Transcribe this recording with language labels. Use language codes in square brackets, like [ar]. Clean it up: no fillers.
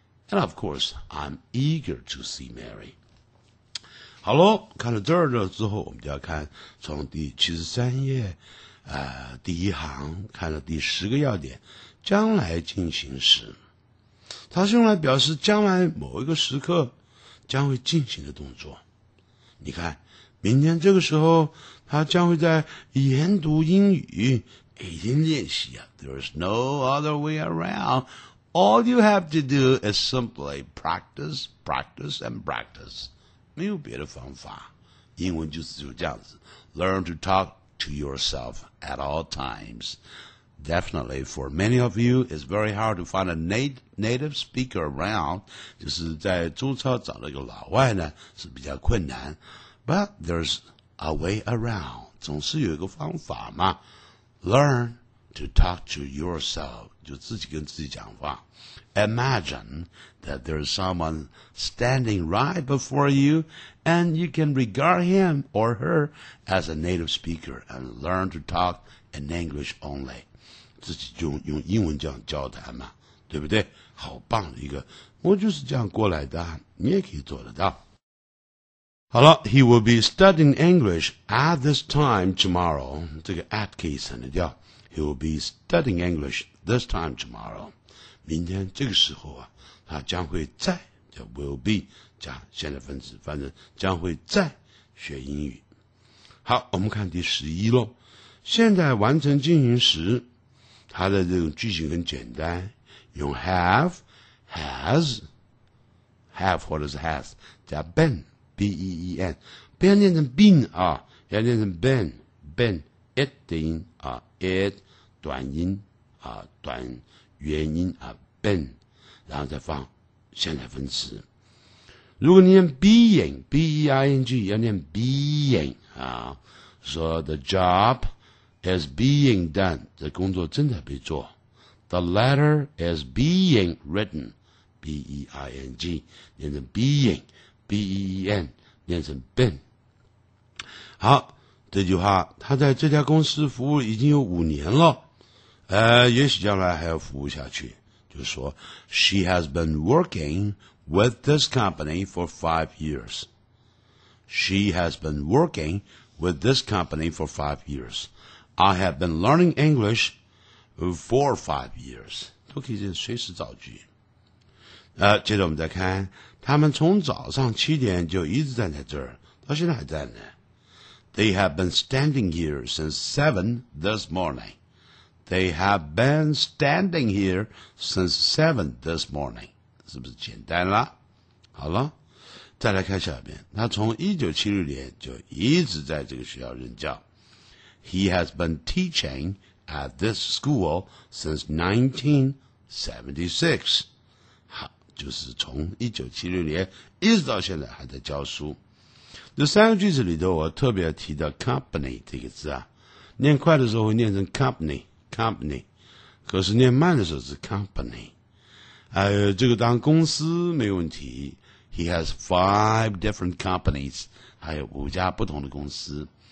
[en] And of course, I'm eager to see Mary. [zh] 好喽，看了这儿的之后，我们就要看从第73页、第一行看了第10个要点，将来进行时。它是用来表示将来某一个时刻将会进行的动作。你看，明天这个时候他将会在研读英语，已经练习啊。 [en] There's no other way around. All you have to do is simply practice, practice, and practice. [zh] 没有别的方法，英文就是这样子。 [en] Learn to talk to yourself at all times. Definitely, for many of you, it's very hard to find a native speaker around. [zh] 就是在中超找了一个老外呢，是比较困难。 [en] But there's a way around. [zh] 总是有一个方法嘛。 [en] Learn to talk to yourself. [zh] 就自己跟自己讲话。 [en] Imagine that there's someone standing right before you and you can regard him or her as a native speaker and learn to talk in English only. [zh] 自己就用英文这样交谈嘛。对不对？好棒的一个。我就是这样过来的，你也可以做得到。好了 [en] ,he will be studying English at this time tomorrow. [zh] 这个 at 可以省得掉。 [en] He will be studying English this time tomorrow. [zh] 明天这个时候啊，他将会在，叫 [en] will be, [zh] 加现在分词，反正将会在学英语。好，我们看第11咯。现在完成进行时，他的这种句型很简单，用 [en] have, has, have, what is has, [zh] 加 been,B-E-E-N, 不要念成 been 啊，要念成 been, it 的音啊 ,it, 短音啊，短元音啊 ,been, 然后再放现在分词。如果你念 being,B-E-I-N-G, 要念 being, 啊，说 [en] the job is being done, [zh] 这工作正在被做。 [en] The letter is being written, B-E-I-N-G, [zh] 念成 [en] being,B-E-E-N, 念成 Ben。 [zh] 好，这句话他在这家公司服务已经有5年了，也许将来还要服务下去。就是说 [en] She has been working with this company for 5 years. She has been working with this company for 5 years. I have been learning English for 5 years. [zh] 都可以是随时造句。接着我们再看，他们从早上7点就一直站在这儿，到现在还在呢。 [en] They have been standing here since 7 this morning. They have been standing here since 7 this morning. [zh] 是不是简单了？好了，再来看下边，他从1976年就一直在这个学校任教。 [en] He has been teaching at this school since 1976. [zh] 就是从1976年一直到现在还在教书。这三个句子里头我特别提到 company 这个字啊，念快的时候会念成 company, company, 可是念慢的时候是 company。这个当公司没问题。 [en] He has 5 different companies, [zh] 还有5家不同的公司。